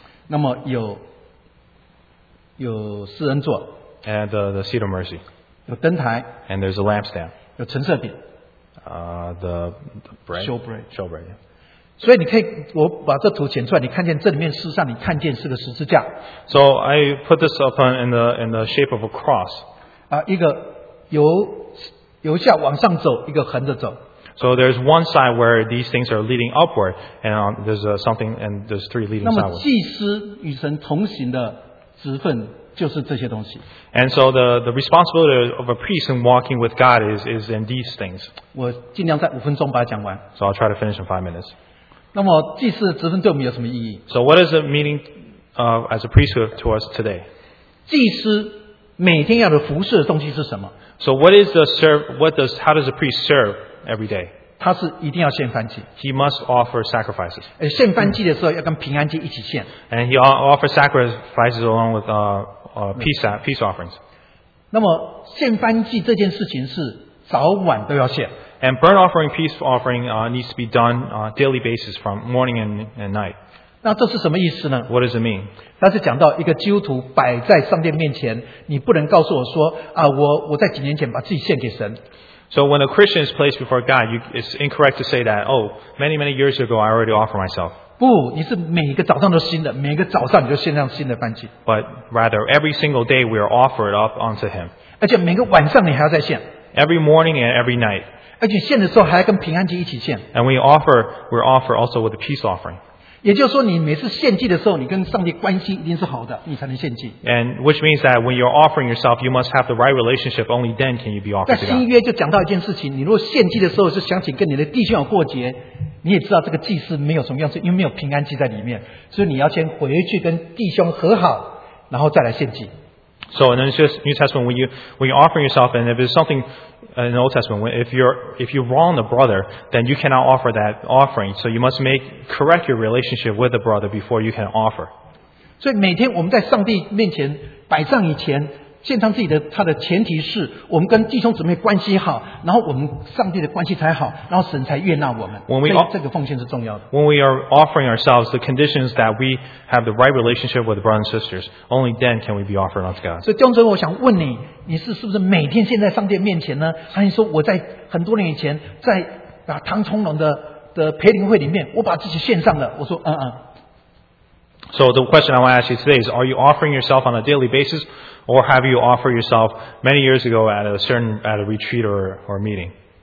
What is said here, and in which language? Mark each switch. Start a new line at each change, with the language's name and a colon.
Chinese: 那么有施恩座
English: ，and the seat of mercy，
Chinese: 有灯台
English: ，and there's a lampstand，
Chinese: 有陈设饼
English: ，the bread showbread，
Chinese: 所以你可以，我把这图剪出来，你看见这里面事实上你看见是个十字架。
English: So I put this up in the shape of a cross.
Chinese: 啊，一个由下往上走，一个横着走。
English: So there's one side where these things are leading upward, and there's something and there's three leading sideways.
Chinese: 那么祭司与神同行的职分就是这些东西。
English: And so the responsibility of a priest in walking with God is in these things.
Chinese: 我尽量在五分钟把它讲完。
English: So I'll try to finish in 5 minutes.
Chinese: 那么祭司的职分对我们有什么意义
English: ？So what is the meaning as a priesthood to us today?
Chinese: 祭司每天要的服侍的东西是什么
English: ？So what is the serve? What does how does a priest serve every day?
Chinese: 他是一定要献燔祭。
English: He must offer sacrifices.
Chinese: 献燔祭的时候要跟平安祭一起献。
English: And he offers sacrifices along with peace offerings.
Chinese: 那么献燔祭这件事情是早晚都要献。
English: And burnt offering, peace offering, needs to be done on a daily basis from morning and night.
Chinese: 那这是什么意思呢
English: ？What does it mean？
Chinese: 它是讲到一个基督徒摆在上帝面前，你不能告诉我说啊，我在几年前把自己献给神。
English: So when a Christian is placed before God, it's incorrect to say that, oh, many many years ago, I already offered myself.
Chinese: 不，你是每个早上都新的，每个早上你就献上新的燔祭。
English: But rather, every single day we are offered up unto Him.
Chinese: 而且每个晚上你还要再献。
English: Every morning and every night.
Chinese: 而且献的时候还要跟平安祭一起献。
English: And we offer also with a peace offering.
Chinese: 也就是说，你每次献祭的时候，你跟上帝关系一定是好的，你才能献祭。
English: And which means that when you're offering yourself, you must have the right relationship. Only then can you be offered.
Chinese: 在新约就讲到一件事情，你如果献祭的时候是想起跟你的弟兄有过节，你也知道这个祭司没有什么样子，因为没有平安祭在里面，所以你要先回去跟弟兄和好，然后再来献祭。
English: So in the New Testament, when you offering yourself, and if it's something in the Old Testament, if you wrong the brother, then you cannot offer that offering. So you must correct your relationship with the brother before you can offer.
Chinese: 所以每天我们在上帝面前摆上以前，献上自己的，它的前提是我们跟弟兄姊妹关系好，然后我们上帝的关系才好，然后神才悦纳我们。所以这个奉献是重要的。
English: When we are offering ourselves, the condition is that we have the right relationship with the brothers and sisters. Only then can we be offered unto God.
Chinese: 所以弟兄姊妹，我想问你，你是不是每天献在上帝面前呢？还是说我在很多年以前，在啊唐崇龙的培灵会里面，我把自己献上了？我说嗯。
English: So the question I want to ask you today is, are you offering yourself on a daily basis, or have you offered yourself many years ago at a retreat or meeting?